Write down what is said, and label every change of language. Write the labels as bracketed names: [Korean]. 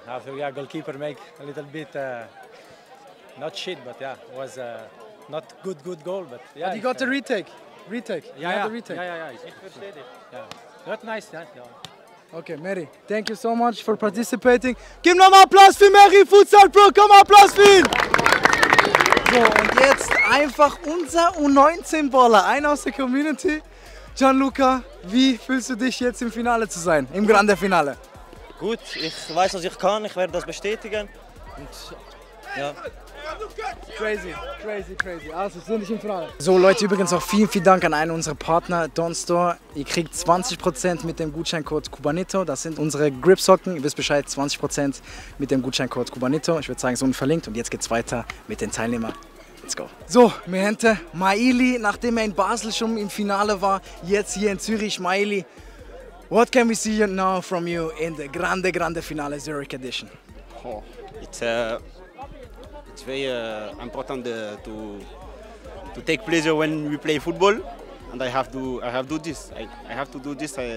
[English] After we are goalkeeper, make a little bit not shit, but yeah, it was not good goal, but yeah. But he got a retake. Yeah, he got a retake. Yeah. That nice, yeah. Okay, Mary, thank you so much for participating. [German] Gib nochmal Applaus für Mary Futsal Pro. Komm, Applaus für! So, und jetzt einfach unser U19 Baller, einer aus der Community. Gianluca, wie fühlst du dich jetzt im Finale zu sein, im Grande Finale? Gut, ich weiß, was ich kann, ich werde das bestätigen. Und, ja. Crazy. Also, sind nicht im Finale. So Leute, übrigens auch vielen, vielen Dank an einen unserer Partner, Don Store. Ihr kriegt 20% mit dem Gutscheincode Cubanito. Das sind unsere Grip-Socken. Ihr wisst Bescheid, 20% mit dem Gutscheincode Cubanito. Ich würde sagen, es ist unten verlinkt und jetzt geht's weiter mit den Teilnehmern. [English] Let's go. [German] So, [Spanish] mi gente, [German] Maili, nachdem in Basel schon im Finale war, jetzt hier in Zürich, Maili. [English] What can we see now from you in the grande, grande Finale Zurich Edition? Oh, it's very important to take pleasure when we play football, and I have to do this. I have to do this.